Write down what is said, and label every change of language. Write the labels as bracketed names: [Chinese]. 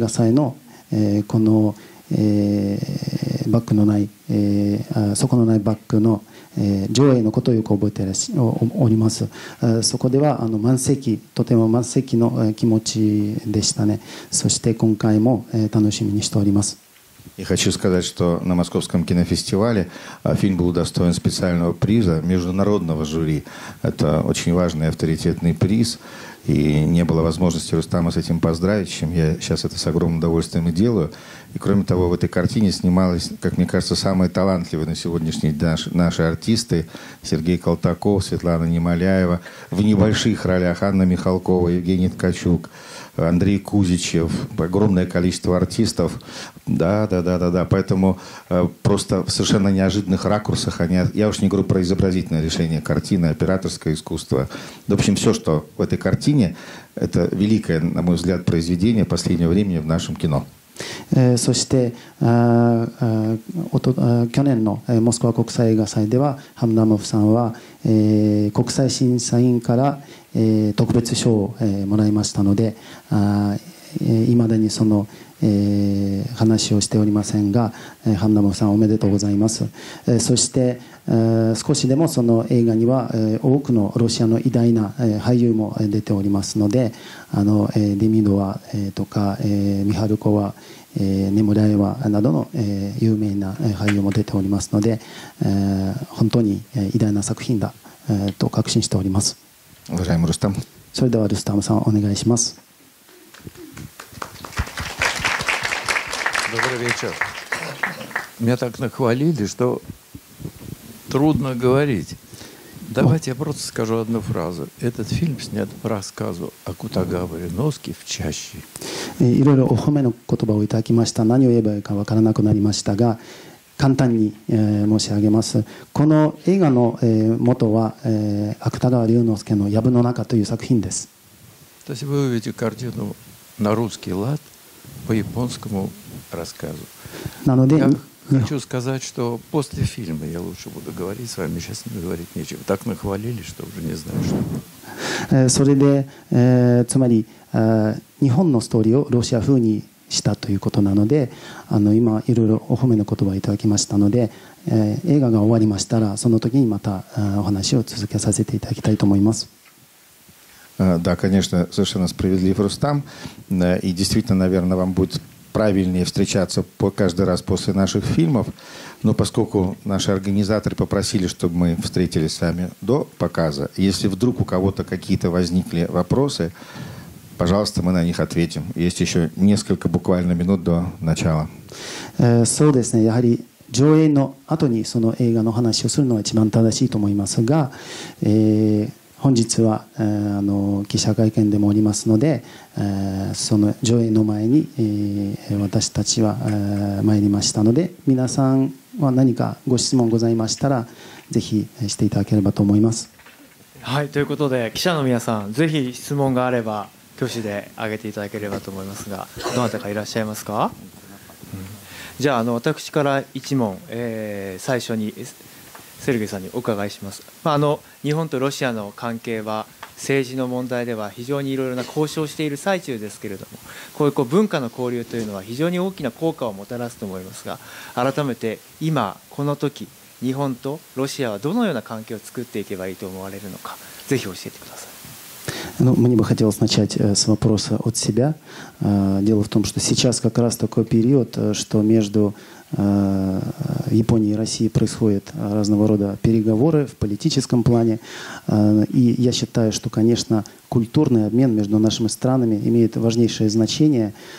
[Japanese] そして最後になりましたが、やはりロシアの天才の監督、そして画家でいらっしゃるルスタム・ハムダモフさんに一言お願いしたいと思います。もうルスタム・ハムダモフ氏の一番最初の映画のことも覚えておりますし、そして昨年モスクワ国際映画祭の、この、バックのない、底のないバックの上映のことをよく覚えております。そこでは満席、とても満席の気持ちでしたね。そして今回も楽しみにしております。 [Russian] Я хочу сказать, что на Московском кинофестивале фильм был удостоен специального приза международного жюри. Это очень важный авторитетный приз, и не было возможности Рустама с этим поздравить, чем я сейчас это с огромным удовольствием и делаю. И кроме того, в этой картине снималась, как мне кажется, самые талантливые на сегодняшний день наши артисты: Сергей Колтаков, Светлана Немоляева, в небольших ролях Анна Михалкова, Евгений Ткачук, Андрей Кузичев, огромное количество артистов. Да. Поэтому просто в совершенно неожиданных ракурсах они... Я уж не говорю про изобразительное решение картины, операторское искусство. В общем, все, что в этой картине, это великое, на мой взгляд, произведение последнего времени в нашем кино. [Japanese] そして去年のモスクワ国際映画祭ではハムダモフさんは国際審査員から特別賞をもらいましたので、いまだにその話をしておりませんが、ハムダモフさんおめでとうございます。そして少しでもその映画には多くのロシアの偉大な俳優も出ておりますので、デミドワとかミハルコワ、ネモライワなどの有名な俳優も出ておりますので、本当に偉大な作品だと確信しております。それではルスタムさん、お願いします。 [Russian] Меня так нахвалили, что трудно говорить. Давайте я просто скажу одну фразу. Этот фильм снят по рассказу Акутагавы Рыновски «В чаще». [Japanese] いろいろお褒めの言葉をいただきました。何を言えばいいか分からなくなりましたが、簡単に申し上げます。この映画の元は芥川龍之介の藪の中という作品です。 [Russian] 私は見たカルティーヌのロスキーラッド、по японскому рассказу。 [Japanese] なので、 [Russian] хочу сказать, что после фильма я лучше буду говорить с вами, сейчас не говорить нечего. Так нахвалили, что уже не знаю, что. [Japanese] それで、つまり、日本のストーリーをロシア風にしたということなので、今いろいろお褒めの言葉をいただきましたので、映画が終わりましたらその時にまた、お話を続けさせていただきたいと思います。 [Russian] Да, конечно, совершенно справедлив Рустам. И действительно, наверное, вам будет правильнее встречаться каждый раз после наших фильмов. Но поскольку наши организаторы попросили, чтобы мы встретились с вами до показа, если вдруг у кого-то какие-то возникли вопросы, пожалуйста, мы на них ответим. Есть еще несколько буквально минут до начала. [Japanese] そうですね。やはり上映の後にその映画の話をするのは一番正しいと思いますが、本日は記者会見でもおりますので、その上映の前に私たちは参りましたので、皆さんは何かご質問ございましたらぜひしていただければと思います。はい、ということで記者の皆さん、ぜひ質問があれば挙手で挙げていただければと思いますが、どなたかいらっしゃいますか。じゃあ私から一問、最初にセルゲイさんにお伺いします。日本とロシアの関係は政治の問題では非常にいろいろな交渉している最中ですけれども、こういう文化の交流というのは非常に大きな効果をもたらすと思いますが、改めて今この時日本とロシアはどのような関係を作っていけばいいと思われるのか、ぜひ教えてください。 [Russian] Мне бы хотелось начать с вопроса от себя. Дело в том, что сейчас как раз такой период, что между Японией и Россией происходят разного рода переговоры в политическом плане. И я считаю, что, конечно, культурный обмен между нашими странами имеет важнейшее значение.